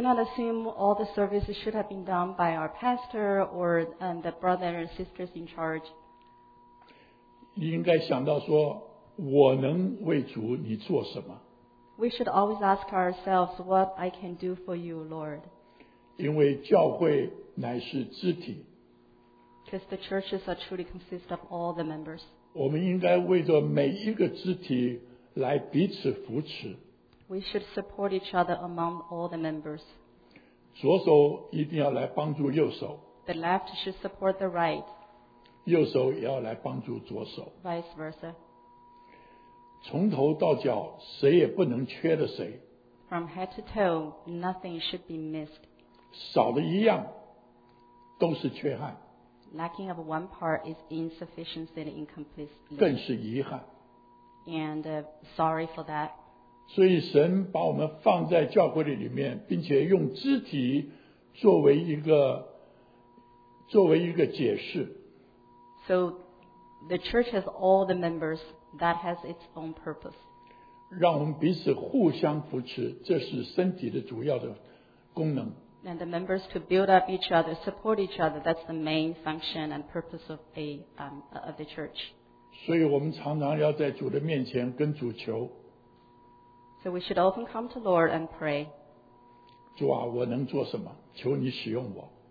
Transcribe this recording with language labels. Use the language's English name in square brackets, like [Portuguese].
[English] not assume all the services should have been done by our pastor or the brothers and sisters in charge. [Chinese] 应该想到说，我能为主你做什么？ [English] We should always ask ourselves what I can do for you, Lord. [Chinese] 因为教会 乃是肢体, [English] because the churches are truly consist of all the members. [Chinese] 我们应该为着每一个肢体来彼此扶持。 [English] We should support each other among all the members. [Chinese] 左手一定要来帮助右手。 [English] The left should support the right. [Chinese] 右手也要来帮助左手。 [English] Vice versa. [Chinese] 从头到脚, [English] From head to toe, nothing should be missed. [Chinese] 少了一样, 都是缺憾, [English] lacking of one part is insufficiency and incomplete. [Chinese] 更是遗憾, [English] and sorry for that. [Chinese] 所以神把我们放在教会里面, 并且用肢体作为一个解释。 [English] So the church has all the members that has its own purpose. [Chinese] 让我们彼此互相扶持, 这是身体的主要的功能。 [English] And the members to build up each other, support each other, that's the main function and purpose of of the church. So we should often come to Lord and pray. [Chinese] 主啊, 我能做什么?求你使用我。